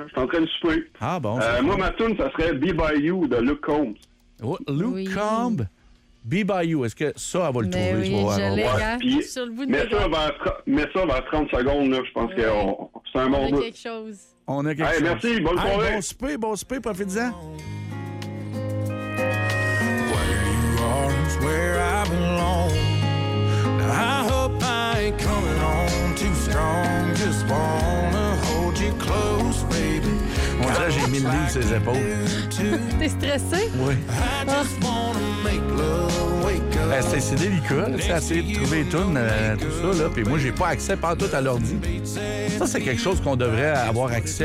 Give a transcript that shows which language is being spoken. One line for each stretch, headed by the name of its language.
French: Je suis en train de souper. Ah, bon. Moi, ma tune, ça serait Be By You de Luke Combs. Oh, Luke Combs? Be By You, est-ce que ça, elle va le mais trouver? Oui, je l'ai, ouais, hein? Pis, sur le bout de la mets ça vers 30 secondes, là, je pense, ouais, que c'est un bon bout. On a quelque chose. On a quelque, hey, chose. Merci, bonne soirée. Bon souper, bon souper, profitez-en.
English: Where you are is where I belong. I hope I ain't coming on too strong. Just wanna hold you close, baby.
French: Moi, là, j'ai mis le livre sur ses épaules. T'es stressé? Oui. Ah. Ben, c'est délicat, là. C'est assez de trouver tout, tout ça, là. Puis moi, j'ai pas accès partout à l'ordi. Ça, c'est quelque chose qu'on devrait avoir accès.